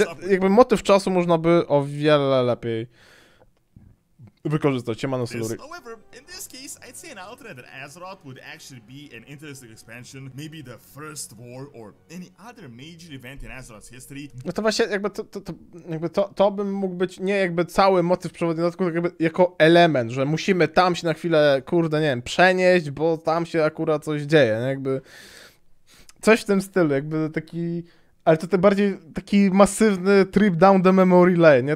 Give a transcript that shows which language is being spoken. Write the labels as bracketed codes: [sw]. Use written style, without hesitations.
[pl] Jakby motyw czasu można by o wiele lepiej wykorzystać. Siemano, Siluri. [en] However, in this case, I'd say an alternate that Azeroth would actually be an interesting expansion. Maybe the first war or any other major event in Azeroth's history. [pl] No to właśnie jakby to bym mógł być nie jakby cały motyw przewodniczący, tylko jakby jako element, że musimy tam się na chwilę, kurde, nie wiem, przenieść, bo tam się akurat coś dzieje, nie? Jakby coś w tym stylu, jakby taki... Ale to bardziej taki masywny [en] trip down the memory lane, [pl] nie?